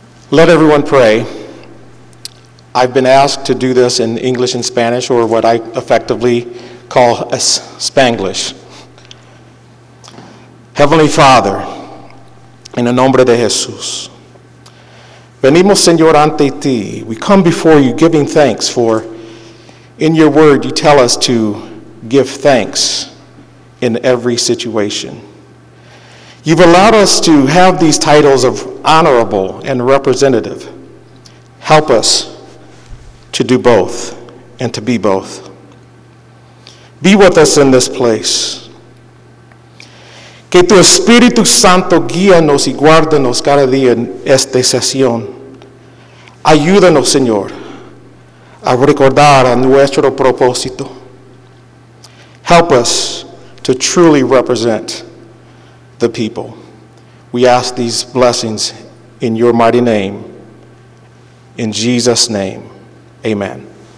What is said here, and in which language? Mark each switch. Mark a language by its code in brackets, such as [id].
[en] Let everyone pray. I've been asked to do this in English and Spanish, or what I effectively call a Spanglish. Heavenly Father, [es] en el nombre de Jesús, venimos, Señor, ante ti. [en] We come before you giving thanks, for in your word you tell us to give thanks in every situation. You've allowed us to have these titles of honorable and representative. Help us to do both and to be both. Be with us in this place. [es] Que tu Espíritu Santo guíanos y guárdanos cada día en esta sesión. Ayúdanos, Señor, a recordar a nuestro propósito. [en] Help us to truly represent the people. We ask these blessings in your mighty name. In Jesus' name, amen.